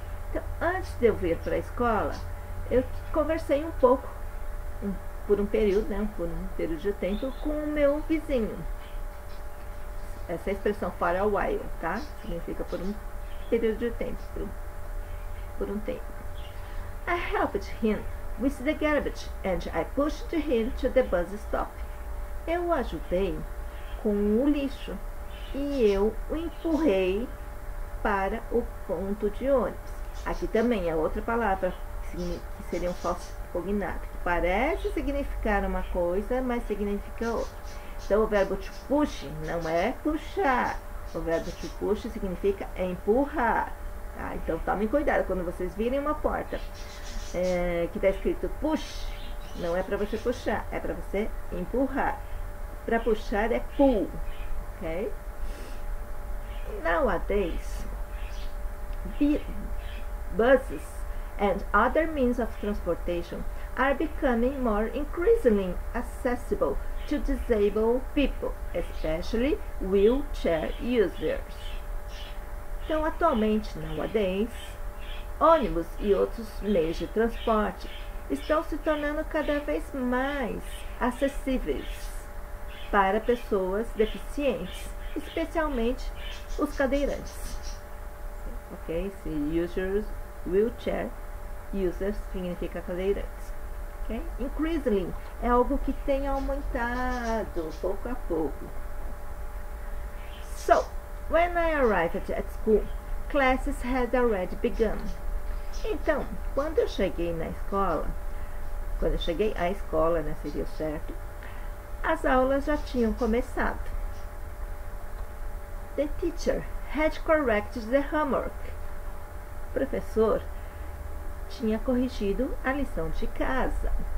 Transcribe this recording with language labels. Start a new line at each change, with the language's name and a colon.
Portuguese: Então, antes de eu vir para a escola, eu conversei um pouco, por um período, né, por um período de tempo, com o meu vizinho. Essa é a expressão for a while, tá? Significa por um período de tempo, por um tempo.
English: I helped him with the garbage and I pushed him to the bus stop.
Portuguese: Eu o ajudei com o lixo e eu o empurrei para o ponto de ônibus. Aqui também é outra palavra que seria um falso cognato, que parece significar uma coisa, mas significa outra. Então, o verbo to push não é puxar. O verbo to push significa empurrar. Tá? Então, tomem cuidado quando vocês virem uma porta que está escrito push. Não é para você puxar, é para você empurrar. Para puxar é pull. Ok? Nowadays,
English: buses and other means of transportation are becoming more increasingly accessible to disabled people, especially wheelchair users.
Portuguese: Então, atualmente, nowadays, ônibus e outros meios de transporte estão se tornando cada vez mais acessíveis para pessoas deficientes, especialmente os cadeirantes. Ok? Se users, wheelchair users significa cadeirantes. Okay? Increasingly é algo que tem aumentado pouco a pouco.
English: So, when I arrived at school, classes had already begun.
Portuguese: Então, quando eu cheguei na escola, quando eu cheguei à escola, né, seria certo, as aulas já tinham começado.
English: The teacher had corrected the homework.
Portuguese: O professor tinha corrigido a lição de casa.